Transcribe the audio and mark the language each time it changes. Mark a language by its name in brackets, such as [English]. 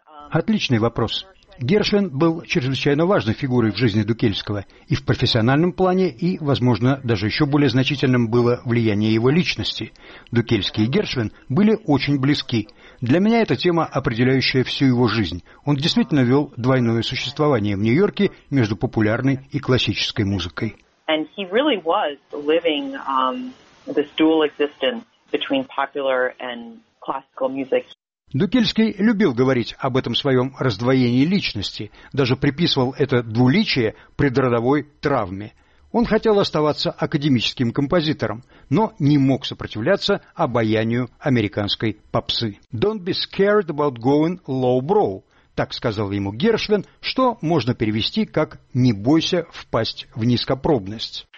[Russian] Отличный вопрос. Гершвин был чрезвычайно важной фигурой в жизни Дукельского, и в профессиональном плане, и, возможно, даже еще более значительным было влияние его личности. Дукельский и Гершвин были очень близки. Для меня это тема, определяющая всю его жизнь. Он действительно вел двойное существование в Нью-Йорке между популярной и классической музыкой. [English] And he really was living this dual existence between popular and classical music. [Russian] Дукельский любил говорить об этом своем раздвоении личности, даже приписывал это двуличие предродовой травме. Он хотел оставаться академическим композитором, но не мог сопротивляться обаянию американской попсы. [English] «Don't be scared about going lowbrow», [Russian] так сказал ему Гершвин, что можно перевести как «не бойся впасть в низкопробность».